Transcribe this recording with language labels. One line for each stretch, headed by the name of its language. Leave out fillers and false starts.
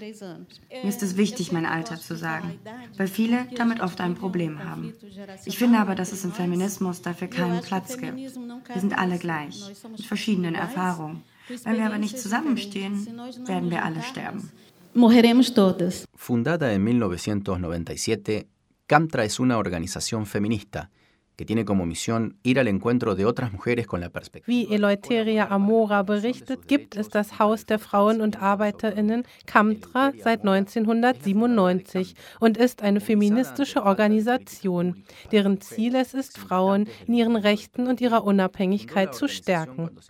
German: Mir ist es wichtig, mein Alter zu sagen, weil viele damit oft ein Problem haben. Ich finde aber, dass es im Feminismus dafür keinen Platz gibt. Wir sind alle gleich, mit verschiedenen Erfahrungen. Wenn wir aber nicht zusammenstehen, werden wir alle sterben.
Portuguese: Morreremos todos.
Spanish: Fundada en 1997, CAMTRA es una organización feminista que tiene como misión ir al encuentro de otras mujeres con la perspectiva.
German: Wie Eleutéria Amora berichtet, gibt es das Haus der Frauen und Arbeiterinnen CAMTRA seit 1997 und ist eine feministische Organisation, deren Ziel es ist, Frauen in ihren Rechten und ihrer Unabhängigkeit zu stärken.